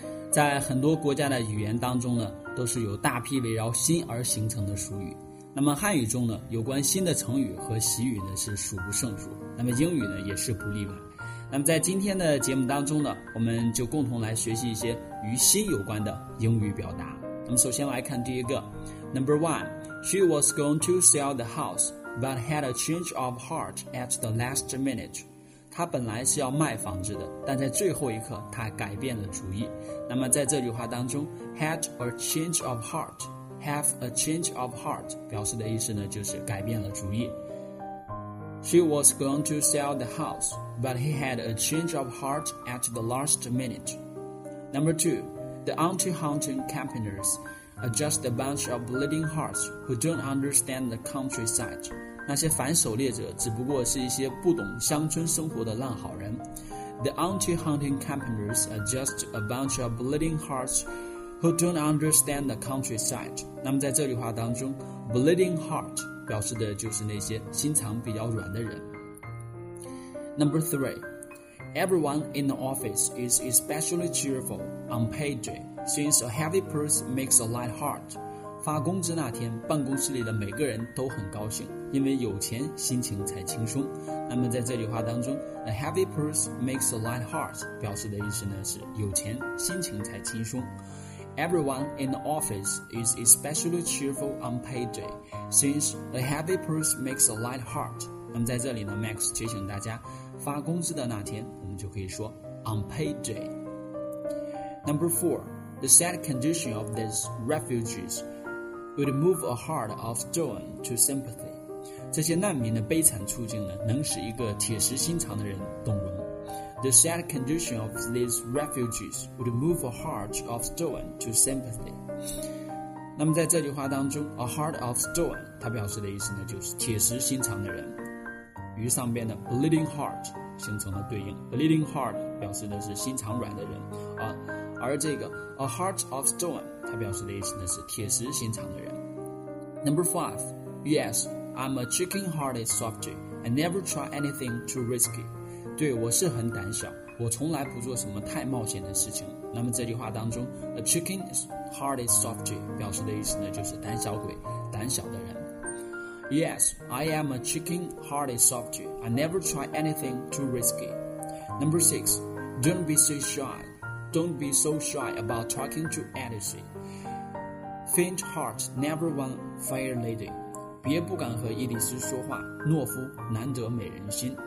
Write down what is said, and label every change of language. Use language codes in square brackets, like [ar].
[zh] 在很多国家的语言当中呢，都是有大批围绕心而形成的俗语，那么汉语中呢，有关心的成语和习语呢是数不胜数，那么英语呢也是不例外。那么在今天的节目当中呢，我们就共同来学习一些与心有关的英语表达。那么首先来看第一个 [en] Number 1， She was going to sell the house but had a change of heart at the last minute. [zh] 她本来是要卖房子的，但在最后一刻她改变了主意。那么在这句话当中 [en] Had a change of heart， Have a change of heart [zh] 表示的意思呢就是改变了主意。 [en] She was going to sell the house, but he had a change of heart at the last minute. Number 2, the anti-hunting campaigners are just a bunch of bleeding hearts who don't understand the countryside. [zh] 那些反狩猎者只不过是一些不懂乡村生活的烂好人。 [en] The anti-hunting campaigners are just a bunch of bleeding hearts who don't understand the countryside. [zh] 那么在这句话当中 [en] bleeding heart, [zh] 表示的就是那些心肠比较软的人。 [en] Number 3, everyone in the office is especially cheerful on payday, since a heavy purse makes a light heart. [zh] 发工资那天，办公室里的每个人都很高兴，因为有钱，心情才轻松。那么在这句话当中 ， [en] a heavy purse makes a light heart [zh] 表示的意思呢是有钱，心情才轻松。 [en] Everyone in the office is especially cheerful on payday, since a heavy purse makes a light heart. [zh] 那么在这里呢 ，Max 提醒大家，发工资的那天，我们就可以说 [en] on payday. Number 4, the sad condition of these refugees would move a heart of stone to sympathy. [zh] 这些难民的悲惨处境呢，能使一个铁石心肠的人动容。 [en] The sad condition of these refugees would move a heart of stone to sympathy. [zh] 那么在这句话当中 ， [en] a heart of stone， [zh] 它表示的意思呢，就是铁石心肠的人，与上边的 [en] bleeding heart [zh] 形成了对应。 [en] Bleeding heart [zh] 表示的是心肠软的人啊，而这个 [en] a heart of stone [zh] 它表示的意思呢，是铁石心肠的人。 [en] Number 5, yes, I'm a chicken-hearted subject. I never try anything too risky. [zh] 对，我是很胆小，我从来不做什么太冒险的事情。那么这句话当中 ， [en] a chicken-hearted subject [zh] 表示的意思呢，就是胆小鬼、胆小的人。 [en] Yes, I am a chicken-hearted subject. I never try anything too risky. Number 6, don't be so shy. Don't be so shy about talking to anybody. Faint heart never won fair lady. [zh] 别不敢和伊丽丝说话，懦夫难得美人心。